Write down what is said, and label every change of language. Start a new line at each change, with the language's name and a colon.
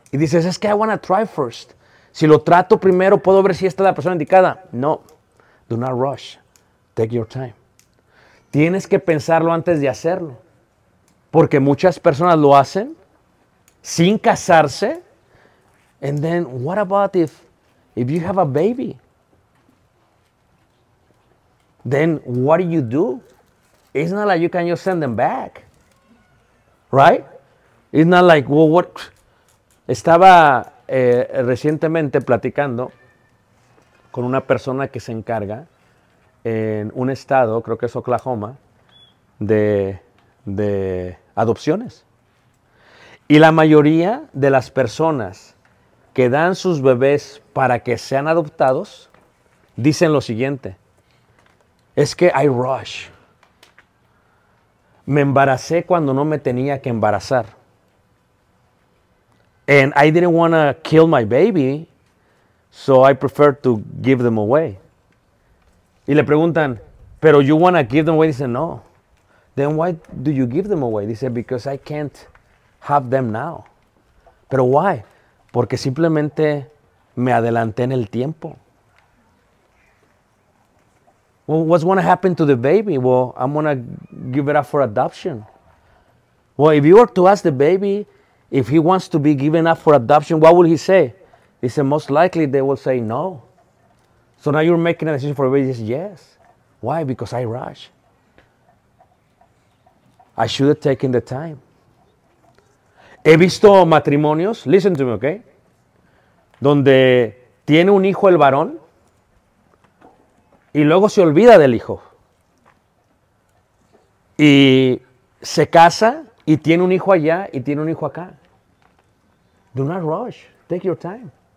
Spanish: Y dices, es que
English: I want to try first.
Spanish: Si lo trato primero, puedo ver si esta es la persona indicada. No.
English: Do not rush. Take your time.
Spanish: Tienes que pensarlo antes de hacerlo. Porque muchas personas lo hacen sin casarse.
English: And then, what about if you have a baby? Then, what do? It's not like you can just send them back. Right? It's not like, well, what?
Spanish: Estaba recientemente platicando con una persona que se encarga en un estado, creo que es Oklahoma, de adopciones. Y la mayoría de las personas que dan sus bebés para que sean adoptados dicen lo siguiente. Es que
English: I rush.
Spanish: Me embaracé cuando no me tenía que embarazar.
English: And I didn't want to kill my baby, so I prefer to give them away.
Spanish: Y le preguntan, pero
English: you want to give them away?
Spanish: Dice, no.
English: Then why do you give them away?
Spanish: Dice,
English: because I can't have them now.
Spanish: Pero
English: why?
Spanish: Porque simplemente me adelanté en el tiempo.
English: Well, what's going to happen to the baby? Well, I'm going to give it up for adoption. Well, if you were to ask the baby if he wants to be given up for adoption, what will he say? He said, most likely they will say no. So now you're making a decision for the baby. He says, yes. Why? Because I rush. I should have taken the time.
Spanish: He visto matrimonios,
English: listen to me, okay?
Spanish: Donde tiene un hijo el varón y luego se olvida del hijo. Y se casa y tiene un hijo allá y tiene un hijo acá.
English: Do not rush. Take your time.